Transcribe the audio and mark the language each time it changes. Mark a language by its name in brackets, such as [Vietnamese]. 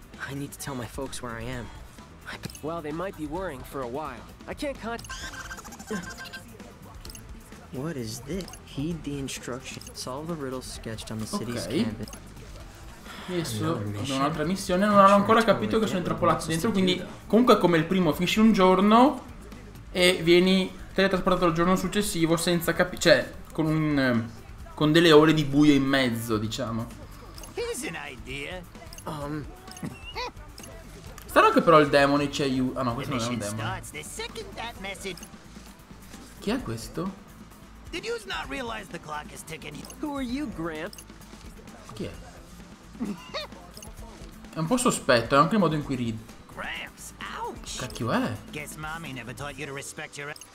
[English] I need to tell my folks where I am. Well, they might be worrying for a while. I can't cut. What is this? Heed the instruction. Solve the riddle sketched on the city's canvas. [Italian] Adesso ho un'altra missione. Non hanno ancora capito che sono intrappolato dentro. Quindi comunque è come il primo. Finisci un giorno e vieni teletrasportato il giorno successivo senza capire. Cioè con un con delle ore di buio in mezzo, diciamo. Strano che però il demone ci aiuta. Ah no, questo non è un demone. Chi è questo? Chi è? È un po' sospetto, è anche il modo in cui ride. Gramps, [English] ouch. [Italian] Cacchio è? [English] Guess mommy never taught you to respect your.